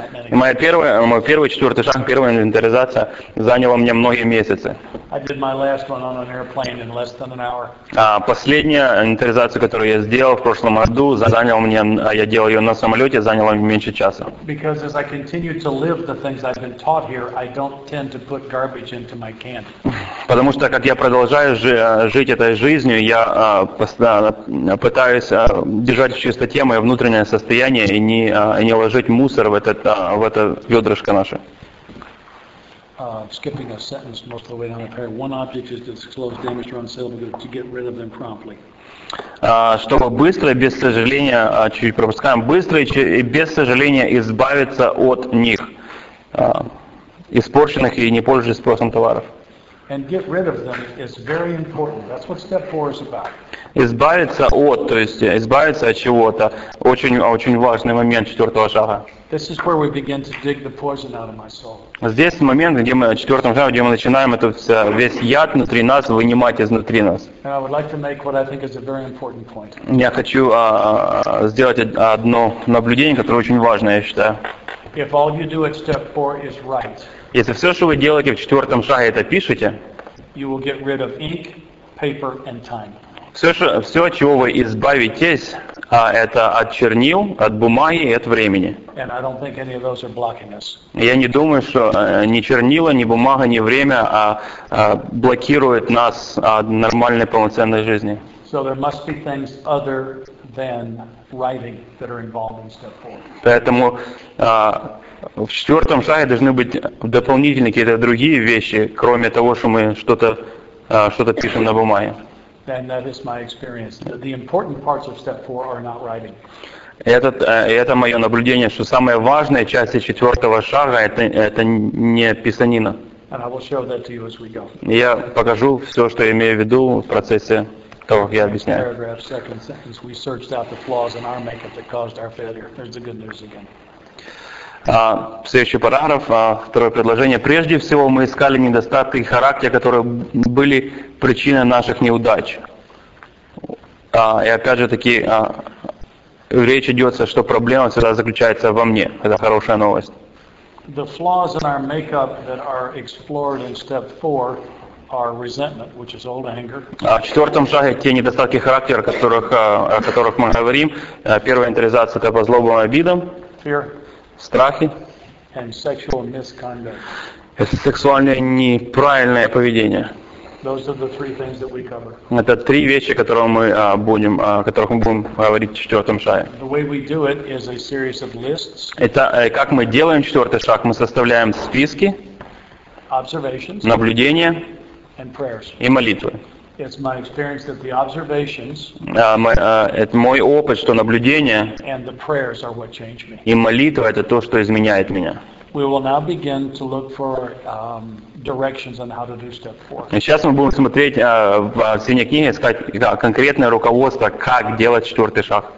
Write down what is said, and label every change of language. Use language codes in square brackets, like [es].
[ru] И мой первый четвертый шаг, первая инвентаризация заняла мне многие месяцы. [en] I did my last one on an airplane in less than an hour. [ru] А последняя инвентаризация, которую я сделал в прошлом году, заняла мне, я делал ее на самолете, заняла меньше часа. [en] Because as I continue to live the things I've been taught here, I don't tend to put garbage into my can. [ru] Потому что как я продолжаю жить этой жизнью, я пытаюсь держать в чистоте мое внутреннее состояние и не ложить мусор в это ведрышко наше. [en] Skipping a sentence most of the way down the page. One object is to disclose damage or unsalable to get rid of them promptly. [ru] Чтобы быстро и без сожаления, чуть пропускаем, быстро и без сожаления избавиться от них, испорченных и не пользующихся спросом товаров. [en] And get rid of them is very important. That's what step four is about. [ru] Избавиться от, то есть избавиться от чего-то, очень-очень важный момент четвертого шага. [en] This is where we begin to dig the poison out of my soul. [ru] Здесь момент, где мы четвертым шагом, где мы начинаем этот весь яд внутри нас вынимать изнутри нас. [en] And I would like to make what I think is a very important point. [ru] Я хочу сделать одно наблюдение, которое очень важное, я считаю. [en] If all you do at step four is write. [ru] Если все, что вы делаете в четвертом шаге, это пишете, [en] you will get rid of ink, paper, and time. [ru] Все, от чего вы избавитесь, это от чернил, от бумаги и от времени. [en] And I don't think any of those are blocking us. [ru] Я не думаю, что ни чернила, ни бумага, ни время блокируют нас от нормальной полноценной жизни. [en] So there must be things other than writing that are involved in step four. [ru] Поэтому в четвертом шаге должны быть дополнительные какие-то другие вещи, кроме того, что мы что-то пишем на бумаге. [en] And that is my experience. The important parts of step four are not writing. [ru] Это мое наблюдение, что самая важная часть четвертого шага это не писанина. [en] And I will show that to you as we go. [ru] Я покажу все, что я имею в виду в процессе того, как я объясняю. [en] Paragraph, second sentence. We searched out the flaws in our makeup that caused our failure. There's the good news again. [ru] Следующий параграф, второе предложение. Прежде всего, мы искали недостатки характера, которые были причиной наших неудач. И опять же таки, речь идет, что проблема всегда заключается во мне. Это хорошая новость. [en] The flaws in our makeup that are explored in step four are resentment, which is old anger. [ru] В четвертом шаге те недостатки характера, о которых мы говорим, первая интеризация это по злобам и обидам. [en] Fear. [ru] Страхи. [en] And sexual misconduct. [ru] Это сексуальное неправильное поведение. [en] Those are the three things that we cover. [ru] Это три вещи, о которых мы будем говорить в четвертом шаге. [en] The way we do it is a series of lists. [ru] Это как мы делаем четвертый шаг. Мы составляем списки, [en] observations, [ru] наблюдения [en] and prayers. [ru] И молитвы. [en] It's my experience that the observations [ru] это мой опыт, что наблюдения [en] and the prayers are what change me. [ru] И молитва это то, что изменяет меня. [en] We will now begin to look for directions on how to do step four. [ru] Сейчас мы будем смотреть в синей книге, искать конкретное руководство, как делать четвертый шаг.